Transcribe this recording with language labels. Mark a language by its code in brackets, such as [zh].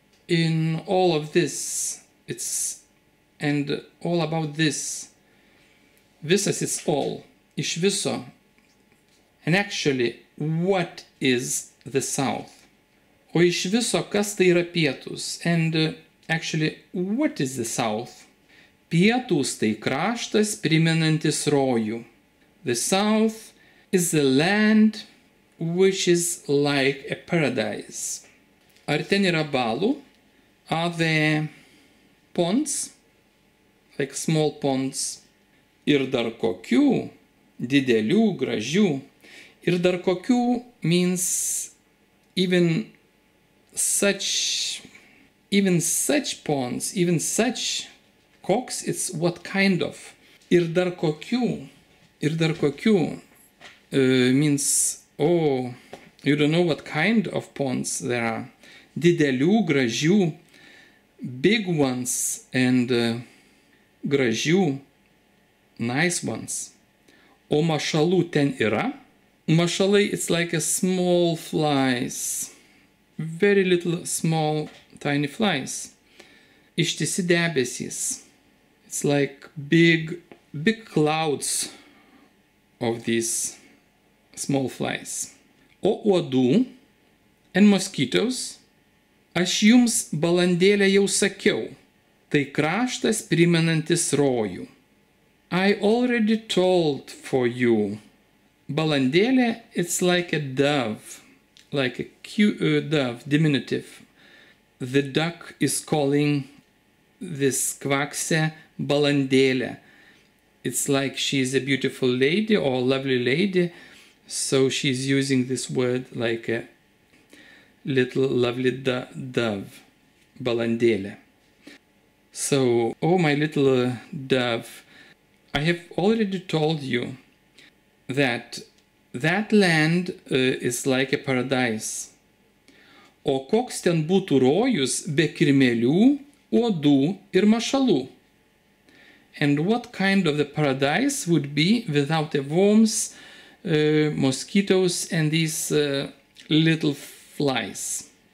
[en] In all of this, it's, and all about this, visas is all, [lt] iš viso. [en] And actually, what is the south? [lt] O iš viso, kas tai yra pietus? [en] And actually, what is the south? [lt] Pietus tai kraštas primenantis rojų. [en] The south is the land which is like a paradise. [lt] Ar ten yra balų? [en] Are there ponds, like small ponds? [lt] Ir dar kokių, didelių, gražių. Ir dar kokių [en] means even such ponds, even such koks, it's what kind of. [lt] Ir dar kokių [en] means, oh, you don't know what kind of ponds there are. [lt] Didelių, gražių. [en] Big ones and gražių, nice ones. [lt] O mašalų ten yra? [en] Mašalai, it's like a small flies. Very little, small, tiny flies. [lt] Ištisi debesys. [en] It's like big clouds of these small flies. [lt] O uodų [en] and mosquitoes? [lt] Aš jums balandėlę jau sakiau. Tai kraštas primenantis rojų. [en] I already told for you Balandėlė, it's like a dove, like a cute dove, diminutive. The duck is calling this kvaksė balandėlė. It's like she's a beautiful lady or a lovely lady, so she's using this word like a little lovely dove, balandėlė. So, oh my little dove, I have already told you that that land is like a paradise. [lt] O koks ten būtų rojus be kirmėlių, uodų ir mašalų? [en] And what kind of the paradise would be without the worms, mosquitoes and these little flies?